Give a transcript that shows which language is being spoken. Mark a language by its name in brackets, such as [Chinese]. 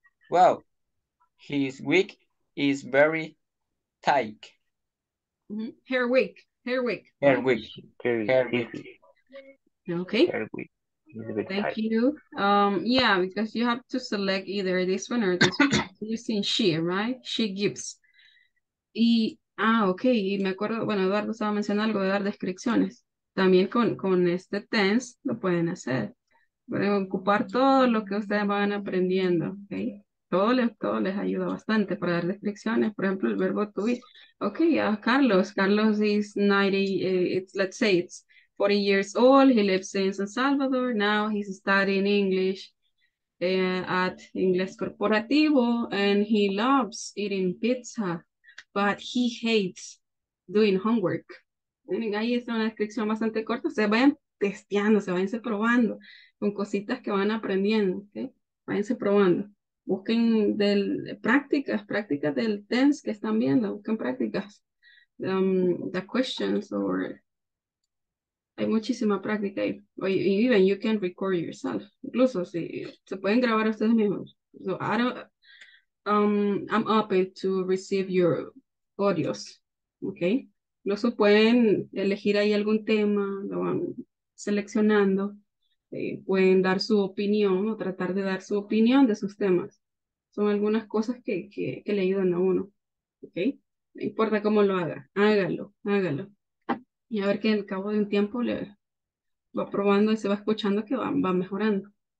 [English] Well, his week is very tight. Mm-hmm. Hair week. Hair week. Thank you. Yeah, because you have to select either this one or this one. You've seen she, right? She gives. Okay. [Spanish] Y me acuerdo, bueno, Eduardo estaba mencionando algo de dar descripciones. También con este tense lo pueden hacer. Pueden ocupar todo lo que ustedes van aprendiendo, okay? Todo les ayuda bastante para dar descripciones. Por ejemplo, el verbo to be. [English] Okay, Carlos. Carlos is 90, let's say it's 40 years old, he lives in San Salvador. Now he's studying English at Ingles Corporativo, and he loves eating pizza, but he hates doing homework. [Spanish] Miren, ahí está una descripción bastante corta. Se vayan testeando, se vayan probando con cositas que van aprendiendo. ¿Okay? Váyanse probando. Busquen prácticas del tense que están viendo. Busquen prácticas. [English] The questions or... [Spanish] Hay muchísima práctica ahí. Y [English] even you can record yourself. [Spanish] Incluso si se pueden grabar ustedes mismos. [English] So I don't, I'm open to receive your audios. Okay. [Spanish] Incluso pueden elegir ahí algún tema, lo van seleccionando. Pueden dar su opinión o tratar de dar su opinión de sus temas. Son algunas cosas que le ayudan a uno. Okay. No importa cómo lo haga. Hágalo. Y a ver que al cabo de un tiempo le va probando y se va escuchando que va mejorando.